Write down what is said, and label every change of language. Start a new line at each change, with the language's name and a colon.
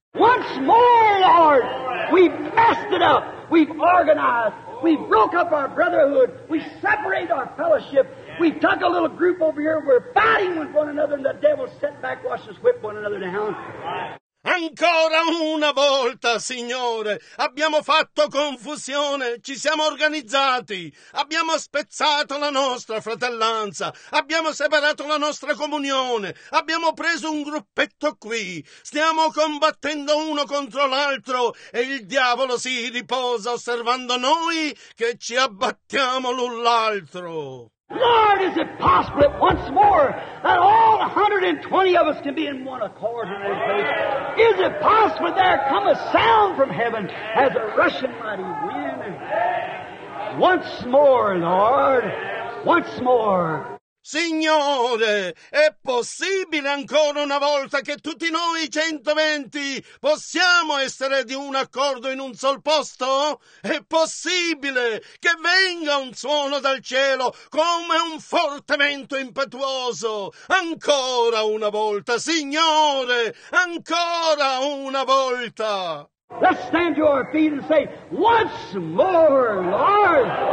English: Once more, Lord, we've messed it up, we've organized, we've broke up our brotherhood, we separate our fellowship. We took a little group over here, we're fighting with one another, and the devil set back, watched us whip one another down.
Italian: Ancora una volta, Signore, abbiamo fatto confusione, ci siamo organizzati, abbiamo spezzato la nostra fratellanza, abbiamo separato la nostra comunione, abbiamo preso un gruppetto qui, stiamo combattendo uno contro l'altro e il diavolo si riposa osservando noi che ci abbattiamo l'un l'altro.
English: Lord, is it possible that once more that all 120 of us can be in one accord in one place? Is it possible there come a sound from heaven as a rushing mighty wind? Once more, Lord, once more.
Italian: Signore, è possibile ancora una volta che tutti noi 120 possiamo essere di un accordo in un sol posto? È possibile che venga un suono dal cielo come un forte vento impetuoso? Ancora una volta, Signore, ancora una volta!
English: Let's stand to our feet and say, once more, Lord!